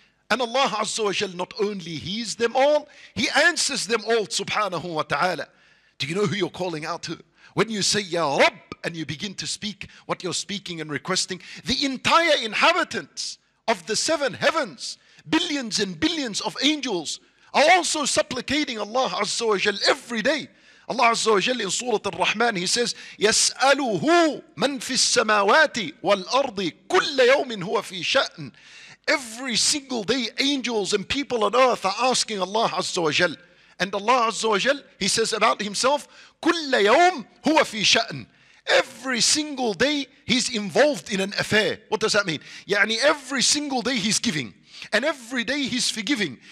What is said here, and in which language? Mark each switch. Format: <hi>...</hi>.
<en>And Allah Azza wa Jal not only hears them all, he answers them all subhanahu wa ta'ala. Do you know who you're calling out to? When you say Ya Rabb and you begin to speak what you're speaking and requesting, the entire inhabitants of the seven heavens, billions and billions of angels are also supplicating Allah Azza wa Jal every day. Allah Azza wa Jal in Surah Al-Rahman, he says,</en> <ar>يَسْأَلُهُ مَنْ فِي السَّمَاوَاتِ وَالْأَرْضِ كُلَّ يَوْمٍ هُوَ فِي شَأْنٍ.</ar> <en>Every single day, angels and people on earth are asking Allah Azza wa Jal. And Allah Azza wa Jal, he says about himself,</en> <ar>كُلَّ يَوْمٍ هُوَ فِي شَأْنٍ.</ar> <en>Every single day, he's involved in an affair. What does that mean? يعني every single day he's giving. And every day he's forgiving.</en>